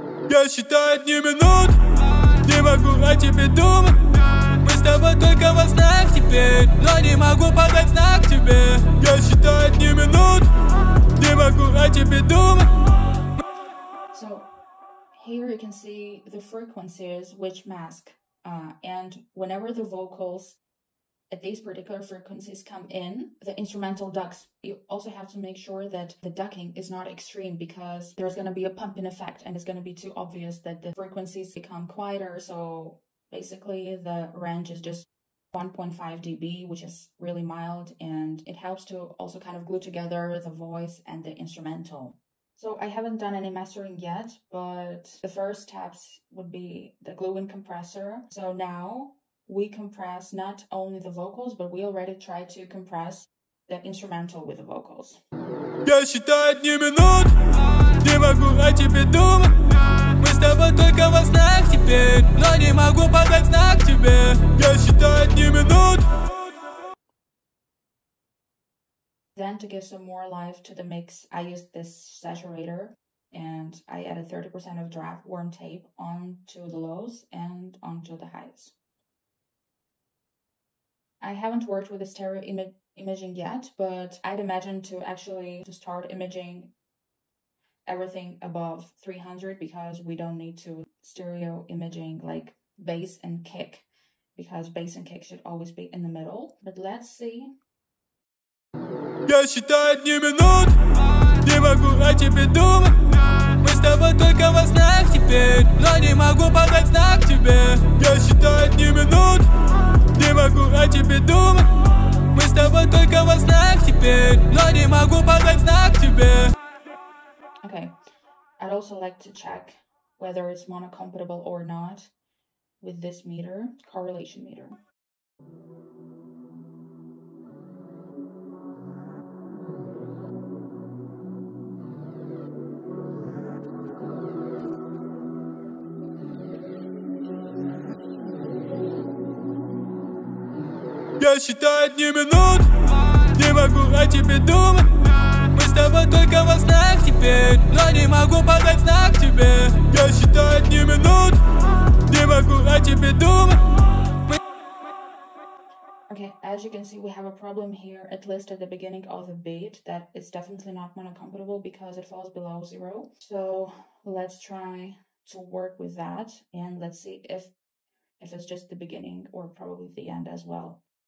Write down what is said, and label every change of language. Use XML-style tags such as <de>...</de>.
<ru>Я считаю дни минут, не могу о тебе думать. Мы с тобой только во снах теперь, но не могу подать знак тебе. Я считаю дни минут, не могу о тебе думать.</ru> <en>So, here you can see the frequencies which mask. And whenever the vocals at these particular frequencies come in, the instrumental ducks. You also have to make sure that the ducking is not extreme because there's going to be a pumping effect and it's going to be too obvious that the frequencies become quieter. So basically the range is just 1.5 dB, which is really mild, and it helps to also kind of glue together the voice and the instrumental. So I haven't done any mastering yet, but the first steps would be the gluing compressor. So now we compress not only the vocals, but we already try to compress the instrumental with the vocals.</en> <ru>Я считаю дни минут, не могу о тебе думать. Мы с тобой только во снах теперь, но не могу подать знак тебе. Я считаю дни минут.</ru> <en>Then to give some more life to the mix, I used this saturator and I added 30% of draft warm tape onto the lows and onto the highs. I haven't worked with the stereo imaging yet, but I'd imagine to start imaging everything above 300 because we don't need to stereo imaging like bass and kick, because bass and kick should always be in the middle. But let's see.</en> <ru>Я считаю дни минут, не могу о тебе думать. Мы с тобой только во снах теперь, но не могу подать знак тебе. Я считаю дни минут, не могу о тебе думать. Мы с тобой только во снах теперь, но не могу подать знак тебе.</ru> <en>Okay, I'd also like to check whether it's monocompatible or not with this meter, correlation meter.</en> <ru>Я считаю дни минут, не могу о тебе думать. Мы с тобой только во снах теперь, но не могу подать знак тебе. Я считаю дни минут, не могу о тебе думать.</ru> <en>Okay, as you can see, we have a problem here, at least at the beginning of the beat, that it's definitely not monocompatible because it falls below zero. So let's try to work with that and let's see if it's just the beginning or probably the end as well.</en>